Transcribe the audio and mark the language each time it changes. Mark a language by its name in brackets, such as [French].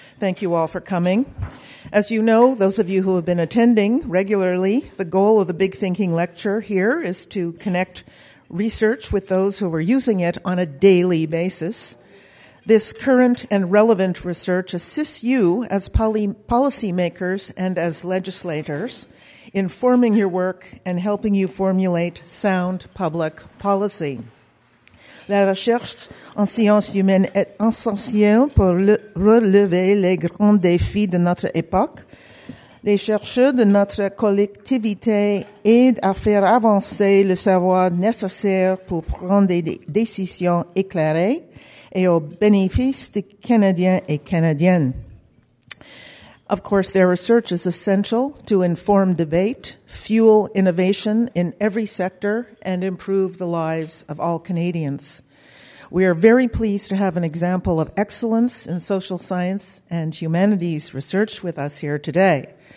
[English] Thank you all for coming. As you know, those of you who have been attending regularly, the goal of the Big Thinking Lecture here is to connect research with those who are using it on a daily basis. This current and relevant research assists you as policymakers and as legislators in forming your work and helping you formulate sound public policy. [French] La recherche en sciences humaines est essentielle pour relever les grands défis de notre époque. Les chercheurs de notre collectivité aident à faire avancer le savoir nécessaire pour prendre des décisions éclairées et au bénéfice des Canadiens et Canadiennes. [English] Of course, their research is essential to inform debate, fuel innovation in every sector, and improve the lives of all Canadians. We are very pleased to have an example of excellence in social science and humanities research with us here today.